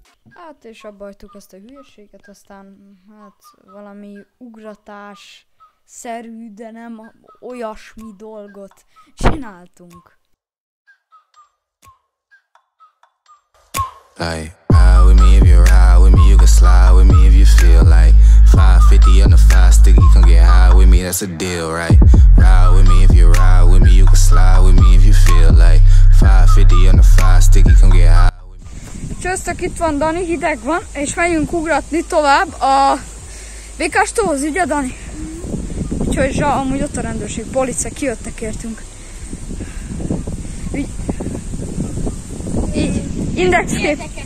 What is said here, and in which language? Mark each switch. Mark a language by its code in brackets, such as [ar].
[hu] Hát és abba hagytuk ezt a hülyeséget, aztán hát valami ugratásszerű, de nem olyasmi dolgot csináltunk. [en] Hey, ride with me if you ride with me, you can slide with me if you feel like 550 on the fast sticky, come get high with me, that's a deal, right? Ride with me if you ride with me, you can slide with me if you feel like 550 on the fast sticky, come get high. [hu] Csöztök, itt van Dani, hideg van, és megyünk ugratni tovább a Békástóhoz, ugye Dani? Úgyhogy zsa, amúgy ott a rendőrség, police, kijöttek értünk. Így, indexkép.